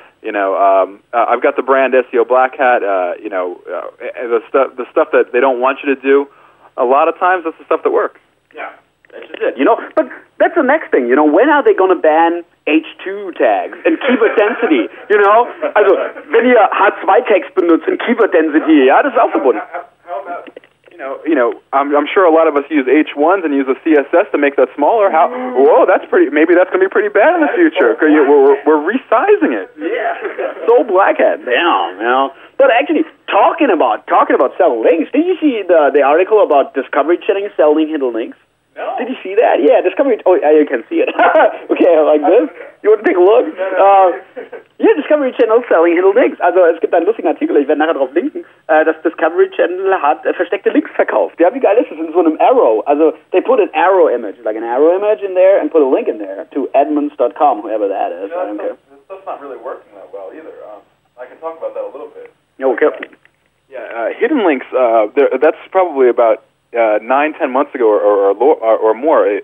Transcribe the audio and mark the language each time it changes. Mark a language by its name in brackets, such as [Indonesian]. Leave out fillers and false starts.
[English] You know, I've got the brand SEO black hat. You know, the stuff that they don't want you to do, a lot of times that's the stuff that works. Yeah. That's just it, you know. But that's the next thing, you know. When are they going to ban H2 tags and keyword density, you know? [German] Also, wenn ihr H2 tags benutzt und keyword density, ja, das ist auch verbunden. [English] How about, I'm sure a lot of us use H1s and use a CSS to make that smaller. How? Whoa, that's pretty, maybe that's going to be pretty bad in the future. Because we're resizing it. Yeah. So black hat. Damn, you know. But actually, talking about selling links, did you see the article about Discovery Channel selling hidden links? No. Did you see that? Yeah, Discovery. Oh, you can see it. Okay, like this. You want to take a look? Yeah, Discovery Channel selling hidden links. [German] Also, es gibt einen lustigen Artikel. Ich werde nachher drauf linken. Das Discovery Channel hat versteckte Links verkauft. Ja, wie geil ist das? In so einem Arrow. [English] Also, they put an arrow image, like an arrow image in there, and put a link in there to Edmunds.com, whoever that is. You know, that's not really working that well either. I can talk about that a little bit. Okay. Hidden links. That's probably about 9-10 months ago or more.